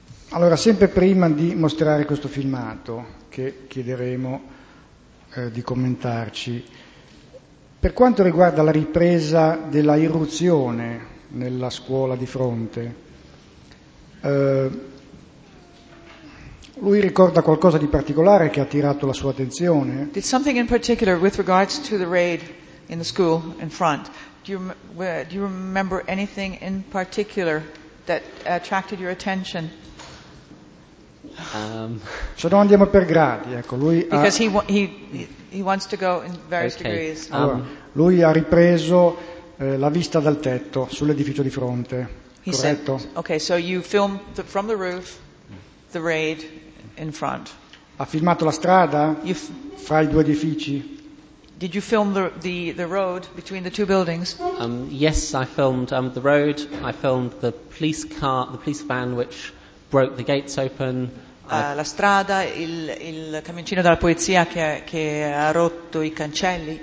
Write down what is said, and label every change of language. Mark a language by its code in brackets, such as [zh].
[it] Allora, sempre prima di mostrare questo filmato, che chiederemo di commentarci, per quanto riguarda la ripresa della irruzione nella scuola di fronte, lui ricorda qualcosa di particolare che ha attirato la sua attenzione? [en] Did something in particular with regards to the raid in the school in front Do you remember anything in particular that attracted your attention? [it] Se no andiamo per gradi, ecco, lui ha... [en] Because he wants to go in various okay. degrees. [it] Allora, lui ha ripreso la vista dal tetto sull'edificio di fronte. [en] He [it] corretto? [en] Said, okay, so you filmed from the roof the raid in front. [it] Ha filmato la strada fra i due edifici? [en] Did you film the road between the two buildings? Yes, I filmed the road. I filmed the police car, the police van which broke the gates open. [it] La strada, il camioncino della polizia che ha rotto i cancelli.